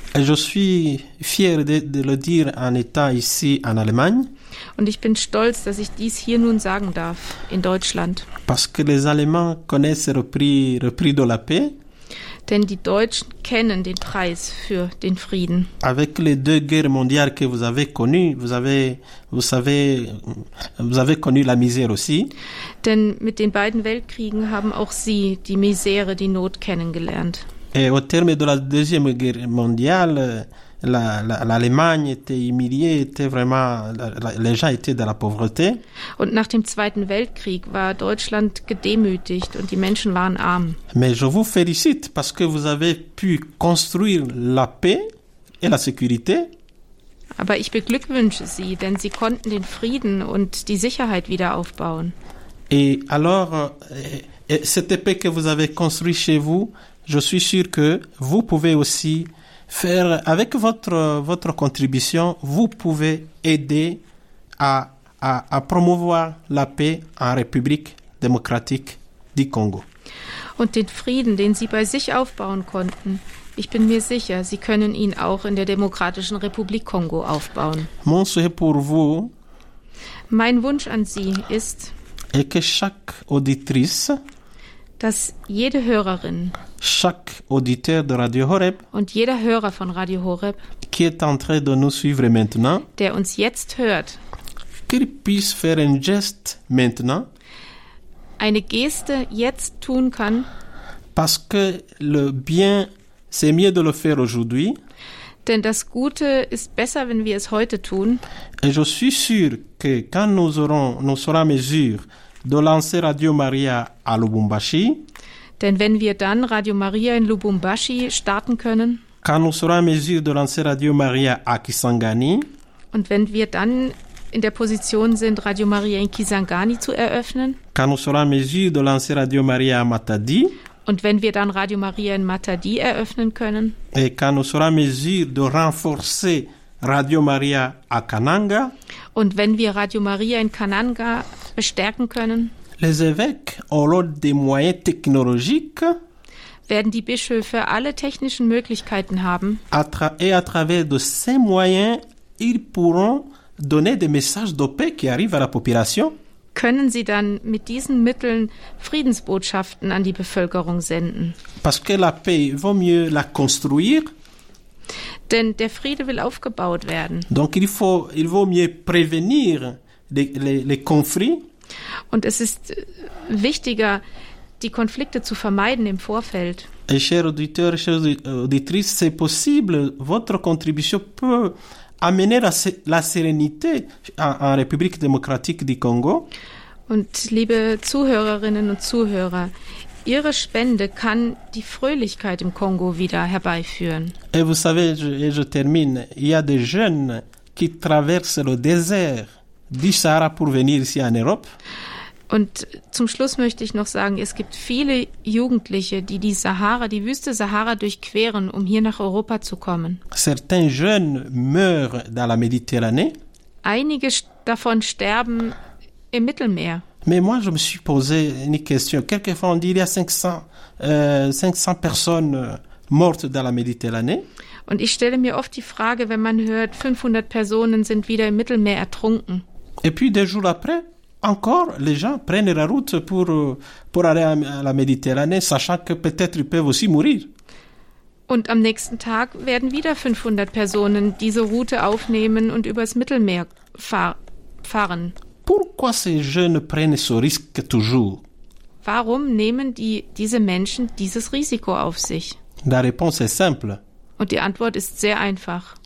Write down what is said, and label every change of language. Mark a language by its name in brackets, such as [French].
[French] Et je suis fier de le dire en étant ici en Allemagne. [German] Und ich bin stolz, dass ich dies hier nun sagen darf, in Deutschland. [French] Parce que les Allemands connaissent le prix de la paix. [German] Denn die Deutschen kennen den Preis für den Frieden. [French] Avec les deux guerres mondiales que vous avez connues, vous avez connu la misère aussi. [German] Denn mit den beiden Weltkriegen haben auch sie die Misere, die Not kennengelernt. [French] Et au terme de la deuxième guerre mondiale, l'Allemagne était humiliée, était vraiment les gens étaient dans la pauvreté. [German] Und nach dem Zweiten Weltkrieg war Deutschland gedemütigt und die Menschen waren arm. [French] Mais je vous félicite parce que vous avez pu construire la paix et la sécurité. [German] Aber ich beglückwünsche Sie, denn Sie konnten den Frieden und die Sicherheit wieder aufbauen. [French] Et alors cette paix que vous avez construite chez vous, je suis sûr que vous pouvez aussi faire avec votre contribution, vous pouvez aider à promouvoir la paix en République démocratique du Congo. [German] Und den Frieden, den Sie bei sich aufbauen konnten, ich bin mir sicher, Sie können ihn auch in der Demokratischen Republik Kongo aufbauen. [French] Mon souhait pour vous, [German] mein Wunsch an Sie ist, [French] est que chaque auditrice, [German] dass jede Hörerin, [French] chaque auditeur de Radio Horeb, [German] und jeder Hörer von Radio Horeb, [French] qui est en train de nous suivre maintenant, [German] der uns jetzt hört, [French] qu'il puisse faire un geste maintenant, [German] eine Geste jetzt tun kann, [French] parce que le bien, c'est mieux de le faire aujourd'hui, [German] denn das Gute ist besser, wenn wir es heute tun. [French] Et je suis sûr que quand nous serons à mesure de lancer Radio Maria à Lubumbashi. [German] Denn wenn wir dann Radio Maria in Lubumbashi starten können. [French] Quand nous serons à mesure de lancer Radio Maria à Kisangani. [German] Und wenn wir dann in der Position sind, Radio Maria in Kisangani zu eröffnen. [French] Quand nous serons à mesure de lancer Radio Maria à Matadi. [German] Und wenn wir dann Radio Maria in Matadi eröffnen können. [French] Et quand nous serons à mesure de renforcer Radio Maria à Kananga. [German] Und wenn wir Radio Maria in Kananga bestärken können. [French] Les évêques auront des moyens technologiques. [German] Werden die Bischöfe alle technischen Möglichkeiten haben. [French] Et à travers de ces moyens, ils pourront donner des messages de paix qui arrivent à la population. [German] Können sie dann mit diesen Mitteln Friedensbotschaften an die Bevölkerung senden. [French] Parce que la paix, il vaut mieux la construire. [German] Denn der Friede will aufgebaut werden. [French] Donc il vaut mieux prévenir les conflits. [German] Und es ist wichtiger, die Konflikte zu vermeiden im Vorfeld. [French] Et chers auditeurs, chers auditrices, c'est possible, votre contribution peut amener la sérénité en République démocratique du Congo. [German] Und liebe Zuhörerinnen und Zuhörer, Ihre Spende kann die Fröhlichkeit im Kongo wieder herbeiführen. [French] Et vous savez, je termine, il y a des jeunes qui traverse le désert du Sahara pour venir ici en Europe. [German] Und zum Schluss möchte ich noch sagen, es gibt viele Jugendliche, die die Sahara, die Wüste Sahara durchqueren, um hier nach Europa zu kommen. [French] Certains jeunes meurent dans la Méditerranée. [German] Einige davon sterben im Mittelmeer. [French] Mais moi je me suis posé une question. Quelquefois on dit il y a 500 personnes mortes dans la Méditerranée. [German] Und ich stelle mir oft die Frage, wenn man hört, 500 Personen sind wieder im Mittelmeer ertrunken. [French] Et puis deux jours après, encore les gens prennent la route pour aller à la Méditerranée, sachant que peut-être ils peuvent aussi mourir. [German] Und am nächsten Tag werden wieder 500 Personen diese Route aufnehmen und übers Mittelmeer fahren. [French] Pourquoi ces jeunes prennent ce risque toujours? [German] Warum nehmen diese Menschen dieses Risiko auf sich? [French] La réponse est simple. [German] Und die Antwort ist sehr einfach.